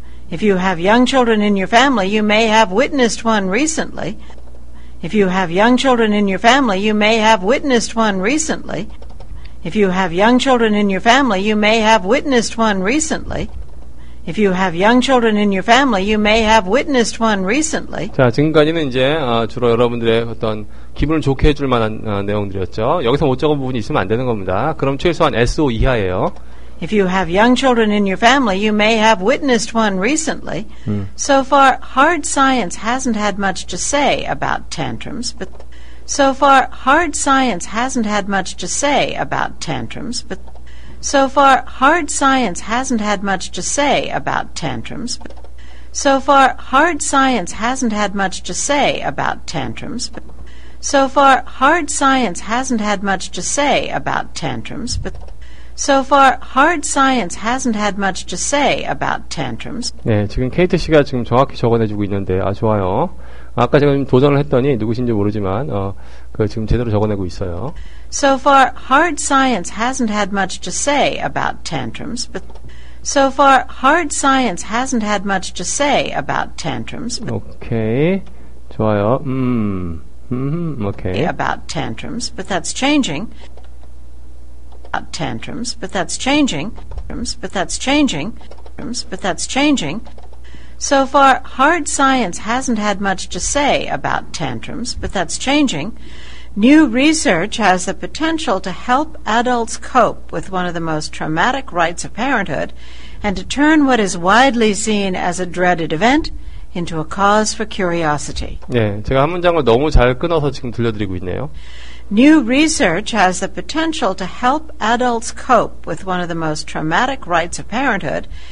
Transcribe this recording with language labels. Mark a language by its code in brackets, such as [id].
[en] If you have young children in your family, you may have witnessed one recently. If you have young children in your family, you may have witnessed one recently. If you have young children in your family, you may have witnessed one recently. If you have young children in your family, you may have witnessed one recently. [ko] 자, 지금까지는 이제 주로 여러분들의 어떤 기분을 좋게 해줄 만한 내용들이었죠. 여기서 못 적은 부분이 있으면 안 되는 겁니다. 그럼 최소한 SO 이하예요. [en] If you have young children in your family, you may have witnessed one recently. So far, hard science hasn't had much to say about tantrums, but so far, hard science hasn't had much to say about tantrums, but So far, hard science hasn't had much to say about tantrums. So far, hard science hasn't had much to say about tantrums. So far, hard science hasn't had much to say about tantrums. But so far, hard science hasn't had much to say about tantrums. [ko] 네, 지금 케이트 씨가 지금 정확히 적어내주고 있는데, 아, 좋아요. 아까 제가 좀 도전을 했더니 누구신지 모르지만 그 지금 제대로 적어내고 있어요. [en] So far, hard science hasn't had much to say about tantrums. But so far, hard science hasn't had much to say about tantrums. But okay, [ko] 좋아요. [en] Okay. About tantrums, but that's changing. About tantrums, but that's changing. Tantrums, but that's changing. Tantrums, but that's changing. So far, hard science hasn't had much to say about tantrums, but that's changing. New research has the potential to help adults cope with one of the most traumatic rites of parenthood and to turn what is widely seen as a dreaded event into a cause for curiosity. [ko] 네, 제가 한 문장을 너무 잘 끊어서 지금 들려드리고 있네요. [en] New research has the potential to help adults cope with one of the most traumatic rites of parenthood.